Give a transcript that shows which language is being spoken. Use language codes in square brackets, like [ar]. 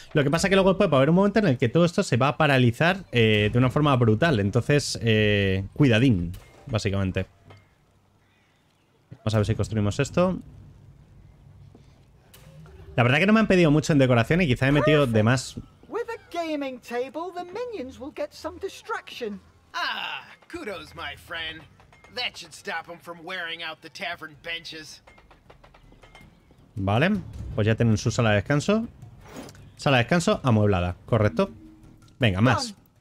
[es] Lo que pasa es que luego puede haber un momento en el que todo esto se va a paralizar de una forma brutal. Entonces, cuidadín, básicamente. Vamos a ver si construimos esto. La verdad es que no me han pedido mucho en decoración y quizá he metido de más. [en] With a gaming table, the minions will get some distraction. Ah, kudos, my friend. That should stop them from wearing out the tavern benches. [es] Vale, pues ya tienen su sala de descanso. Sala de descanso amueblada, ¿correcto? Venga, más.